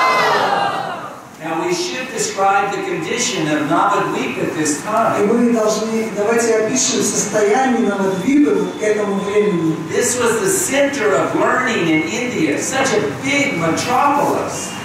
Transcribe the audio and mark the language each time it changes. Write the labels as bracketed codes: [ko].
[en] Now we should describe the condition of Navadvipa at this time. [ru] И мы должны, давайте опишем состояние Навадвипа к этому времени. [en] This was the center of learning in India, such a big metropolis.